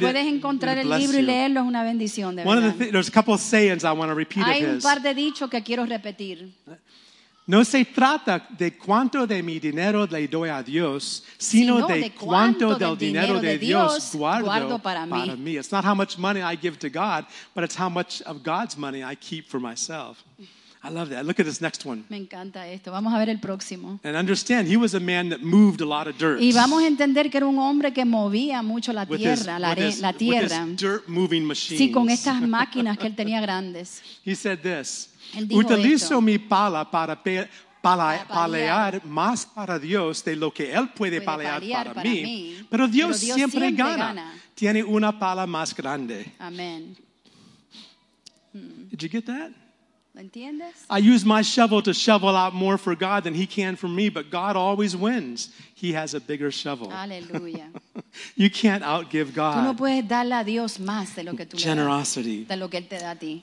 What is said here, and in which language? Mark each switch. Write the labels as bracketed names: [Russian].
[Spanish] si puedes encontrar el libro y leerlo es una bendición de verdad. [English] There's a couple of sayings I want to repeat of his. [Spanish] Hay un par de dichos que quiero repetir. No se trata de cuánto de mi dinero le doy a Dios, sino de cuánto del dinero de Dios guardo para mí. [English] It's not how much money I give to God, but it's how much of God's money I keep for myself. I love that. Look at this next one. [Spanish] Me encanta esto. Vamos a ver el próximo. [English] And understand, he was a man that moved a lot of dirt. [Spanish] Y vamos a entender que era un hombre que movía mucho la tierra, la tierra. [English] With his dirt-moving machines. [Spanish] Sí, con estas máquinas que él tenía grandes. [English] He said this. [Spanish] Él dijo utilizo esto. Mi pala para palear más para Dios de lo que Él puede palear para mí. Pero Dios siempre gana. Tiene una pala más grande. Amén. [English] Did you get that? [Spanish] ¿Lo entiendes? [English] I use my shovel to shovel out more for God than He can for me, but God always wins. He has a bigger shovel. [Spanish] Aleluya. [English] You can't outgive God. [Spanish] Tú no puedes darle a Dios más de lo que tú [English] generosity. [Spanish] Le das, de lo que Él te da a ti.